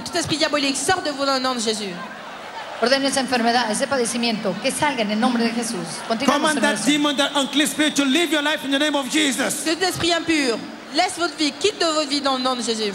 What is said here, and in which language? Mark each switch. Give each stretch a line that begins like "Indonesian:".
French: Tout esprit diabolique, sort de vous dans le nom de Jésus.
Spanish: Orden esa enfermedad, ese padecimiento, que salga en el nombre de Jesús.
English: Command that demon, that unclean spirit, to leave your life in the name of Jesus.
French: Cet esprit impur, laisse votre vie, quitte de votre vie dans le nom de Jésus.